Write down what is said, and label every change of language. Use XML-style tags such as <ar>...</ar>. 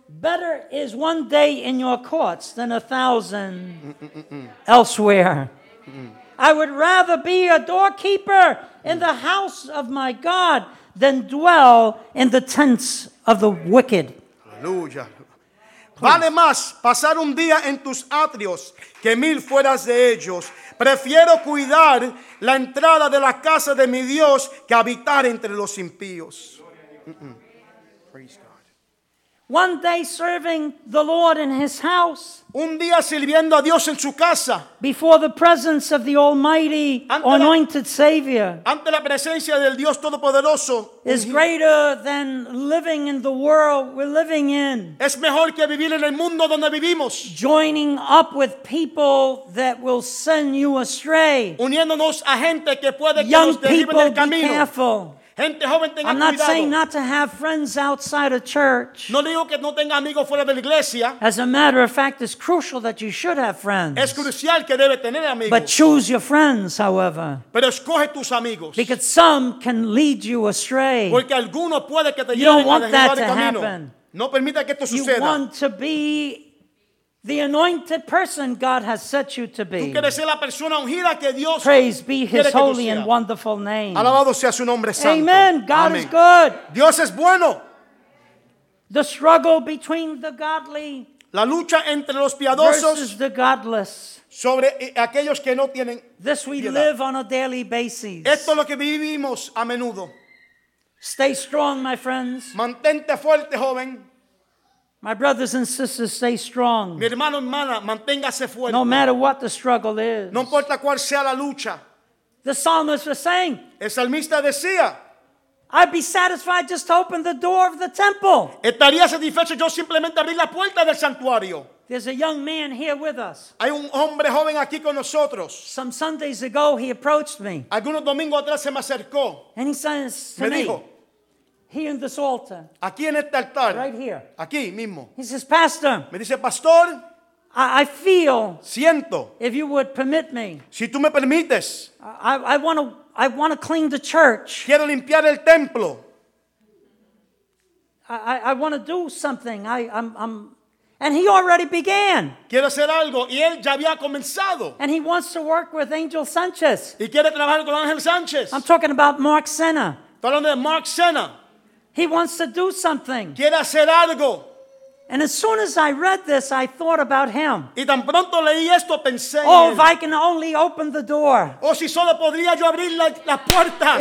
<en>Better is one day in your courts than a thousand elsewhere. I would rather be a doorkeeper in the house of my God than dwell in the tents of the wicked.</en> <es>Aleluya. Vale más pasar un día en tus atrios que mil fueras de ellos. Prefiero cuidar la entrada de la casa de mi Dios que habitar entre los impíos.</es> <en>Praise God. One day serving the Lord in his house.</en> <es>Un día sirviendo a Dios en su casa.</es> <en>Before the presence of the Almighty, anointed Savior.</en> <es>Ante la presencia del Dios Todopoderoso.</es> <en>Is greater than living in the world we're living in.</en> <es>Es mejor que vivir en el mundo donde vivimos.</es> <en>Joining up with people that will send you astray.</en> <es>Uniéndonos a gente que puede que</es> <en>Young</en> <es>nos derribe</es> <en>people,</en> <es>en el camino.</es> <en>Be careful.</en> <es>Gente joven,</es> <en>I'm not</en> <es>cuidado.</es> <en>Saying not to have friends outside of church.</en> <es>No digo que no tenga amigos fuera de la iglesia.</es> <en>As a matter of fact, it's crucial that you should have friends.</en> <es>Es crucial que debe tener amigos.</es> <en>But choose your friends, however.</en> <es>Pero escoge tus amigos.</es> <en>Because some can lead you astray.</en> <es>Porque alguno puede que te</es> <en>you don't want that to happen.</en> <es>No permita que esto</es> <en>you</en> <es>suceda.</es> <en>Want to be the anointed person God has set you to be.</en> <es>Tú quieres ser la persona ungida que Dios</es> <en>Praise be his holy and wonderful name.</en> <es>Alabado sea su nombre santo.</es> <en>Amen. God Amen. Is good.</en> <es>Dios es bueno.</es> <en>The struggle between the godly</en> <es>la lucha entre los piadosos</es> <en>versus the godless.</en> <es>Sobre aquellos que no tienen</es> <en>This we</en> <es>piedad.</es> <en>Live on a daily basis.</en> <es>Esto es lo que vivimos a menudo.</es> <en>Stay strong, my friends.</en> <es>Mantente fuerte, joven.</es> <en>My brothers and sisters, stay strong.</en> <es>Mi hermano, hermana, manténgase fuerte.</es> <en>No matter what the struggle is.</en> <es>No importa cuál sea la lucha.</es> <en>The psalmist was saying.</en> <es>El salmista decía.</es> <en>I'd be satisfied just to open the door of the temple.</en> <es>Estaría satisfecho yo simplemente abrir la puerta del santuario.</es> <en>There's a young man here with us.</en> <es>Hay un hombre joven aquí con nosotros.</es> <en>Some Sundays ago, he approached me.</en> <es>Algunos domingos atrás se me acercó.</es> <en>And he says to me.</en> <es>Dijo,</es> <en>Here in this altar.</en> <es>Aquí en este altar.</es> <en>Right here.</en> <es>Aquí mismo.</es> <en>He says, Pastor.</en> <es>Me dice, Pastor.</es> <en>I feel.</en> <es>Siento.</es> <en>If you would permit me.</en> <es>Si tú me permites.</es> <en>I want to clean the church.</en> <es>Quiero limpiar el templo.</es> <en>I want to do something. I'm And he already began.</en> <es>Quiere hacer algo y él ya había comenzado.</es> <en>And he wants to work with Angel Sanchez.</en> <es>Y quiere trabajar con Ángel Sánchez.</es> <en>I'm talking about Mark Senna.</en> <es>Estoy hablando de Mark Senna.</es> <en>He wants to do something.</en> <es>Quiere hacer algo.</es> <en>And as soon as I read this, I thought about him.</en> <es>Y tan pronto leí esto, pensé</es> <en>oh,</en> <es>en él.</es> <en>If I can only open the door.</en> <es>Oh, si solo podría yo abrir las puertas.</es>